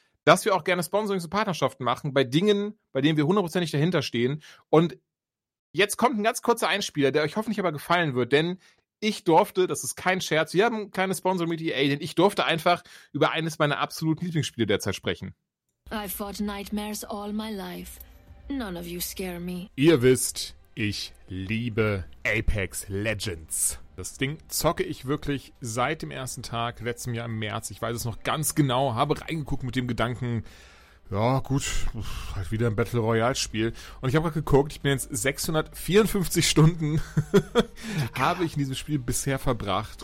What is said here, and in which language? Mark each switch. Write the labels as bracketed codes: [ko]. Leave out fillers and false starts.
[de] Dass wir auch gerne Sponsorings und Partnerschaften machen bei Dingen, bei denen wir hundertprozentig dahinter stehen. Und jetzt kommt ein ganz kurzer Einspieler, der euch hoffentlich aber gefallen wird, denn ich durfte, das ist kein Scherz, wir haben ein kleines Sponsor mit EA, denn ich durfte einfach über eines meiner absoluten Lieblingsspiele derzeit sprechen. [en] I've fought nightmares all my life. None of you scare me. [de] Ihr wisst, ich liebe Apex Legends. Das Ding zocke ich wirklich seit dem ersten Tag, letztem Jahr im März. Ich weiß es noch ganz genau, habe reingeguckt mit dem Gedanken, ja, gut, halt wieder ein Battle Royale Spiel. Und ich habe gerade geguckt, ich bin jetzt 654 Stunden habe ich in diesem Spiel bisher verbracht.